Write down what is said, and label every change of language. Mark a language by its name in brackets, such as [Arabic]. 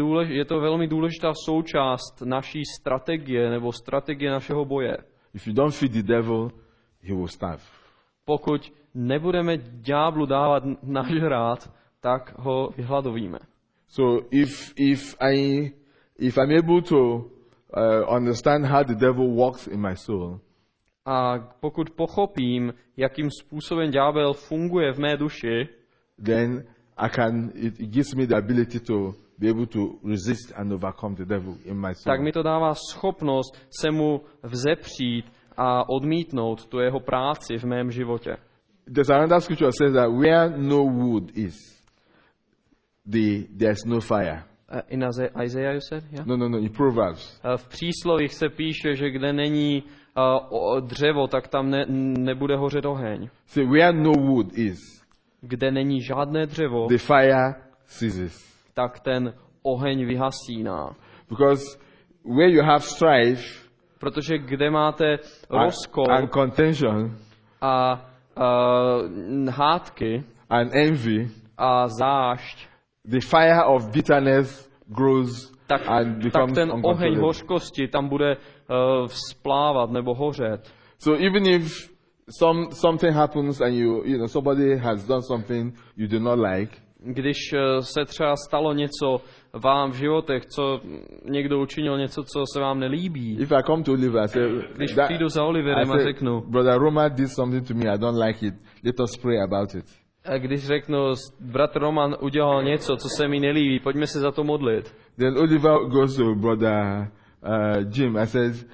[Czech] Je to velmi důležitá součást naší strategie nebo strategie našeho boje. [English] If you don't feed the devil, he will starve. [Czech] Pokud nebudeme ďáblu dávat nažrát, tak ho vyhladovíme. [English] So if I'm able to understand how the devil works in my soul. [Czech] A pokud pochopím, jakým způsobem ďábel funguje v mé duši, [English] then it gives me the ability to be able to resist and overcome the devil in my soul. [Czech] Tak mi to dává schopnost se mu vzepřít a odmítnout tu jeho práci v mém životě. [English] The Sanada scripture says that where no wood is, there's no fire. In Isaiah you said? Yeah? No, in Proverbs. [Czech] V příslovích se píše, že kde není dřevo, tak tam nebude hořet oheň. [English] See, where no wood is, [Czech] kde není žádné dřevo, [English] the fire ceases. [Czech] Tak ten oheň vyhasíná. [English] Because where you have strife, [Czech] protože kde máte rozkol [English] and contention, [Czech] a hádky [English] and envy, [Czech] a zášť, [English] the fire of bitterness grows [Czech] tak, [English] and becomes [Czech] tak ten oheň hořkosti tam bude vzplávat nebo hořet. [English] So even if something happens and you know somebody has done something you do not like, [Czech] když se třeba stalo něco vám v životech, co někdo učinil něco, co se vám nelíbí. [English] If I come to Oliver, I say, [Czech] když přijdu za Oliverem a řeknu, [English] brother Roman did something to me, I don't like it, let us pray about it. [Czech] A když řeknu, brat Roman udělal něco, co se mi nelíbí, pojďme se za to modlit. [English] Then Oliver goes to brother Jim, I says,